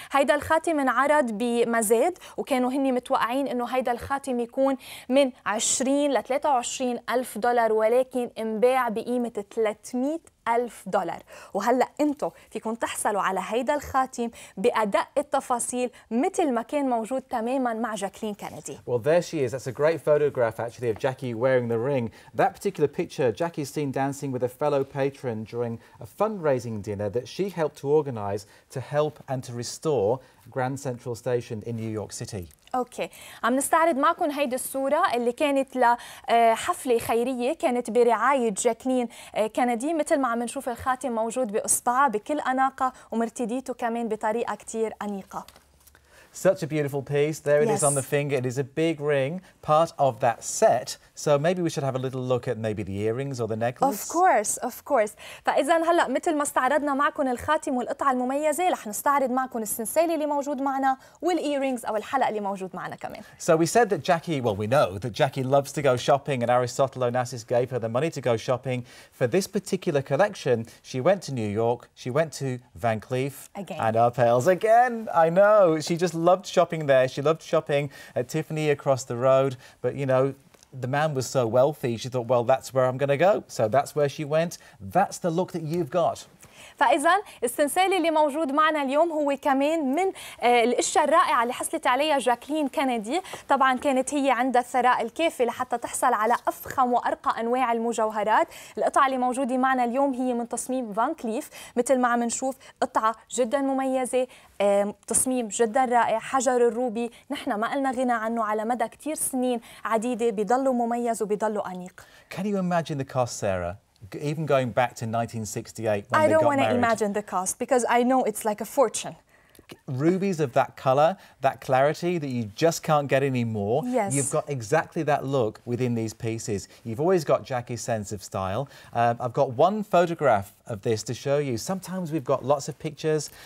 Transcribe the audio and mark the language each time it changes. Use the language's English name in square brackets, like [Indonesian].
[Arabic] هيدا الخاتم انعرض بمزاد، وكانوا هني متوقعين أنه هيدا الخاتم يكون من 20 لـ 23 ألف دولار، ولكن انباع بقيمة 300 ألف دولار. وهلأ أنتو فيكن تحصلوا على هيدا الخاتم بأدق التفاصيل مثل ما كان موجود تماما مع جاكلين كينيدي. [English] Well, there she is. That's a great photograph actually of Jackie wearing the ring. That particular picture, Jackie is seen dancing with a fellow patron during a fundraising dinner that she helped to organize to help and to restore Grand Central Station in New York City. [Arabic] اوكي، عم نستعرض معكم هيدي الصورة اللي كانت لحفلة خيرية كانت برعاية جاكلين كينيدي. مثل ما عم نشوف الخاتم موجود بإصبعها بكل أناقة ومرتديته كمان بطريقة كتير أنيقة. [English] Such a beautiful piece. There it is on the finger. It is a big ring, part of that set. So maybe we should have a little look at maybe the earrings or the necklace. Of course, of course. [Arabic] فإذاً هلأ مثل ما استعرضنا معكم الخاتم والقطعة المميزة رح نستعرض معكم السنسالي اللي موجود معنا والإيرينجز أو الحلق اللي موجود معنا كمان. [English] So we said that Jackie, well we know that Jackie loves to go shopping and Aristotle Onassis gave her the money to go shopping. For this particular collection, she went to New York, she went to Van Cleef and Arpels again. I know, she just loved shopping there. She loved shopping at Tiffany across the road. But you know, the man was so wealthy, she thought, well, that's where I'm going to go. So that's where she went. That's the look that you've got. [Arabic] فإذا السنسالي اللي موجود معنا اليوم هو كمان من الأشياء الرائعة اللي حصلت عليها جاكلين كينيدي. طبعا كانت هي عندها الثراء الكافي لحتى تحصل على أفخم وأرقى أنواع المجوهرات. القطعة اللي موجودة معنا اليوم هي من تصميم فان كليف، مثل ما عم نشوف قطعة جدا مميزة، تصميم جدا رائع، حجر الروبي نحن ما قلنا غنى عنه على مدى كتير سنين عديدة، بيضلوا مميز وبيضلوا أنيق. [English] Can you imagine the cost, Sarah? Even going back to 1968 when they got married. I don't want to imagine the cost because I know it's like a fortune. Rubies of that color, that clarity that you just can't get anymore. Yes. You've got exactly that look within these pieces. You've always got Jackie's sense of style. I've got one photograph of this to show you. Sometimes we've got lots of pictures.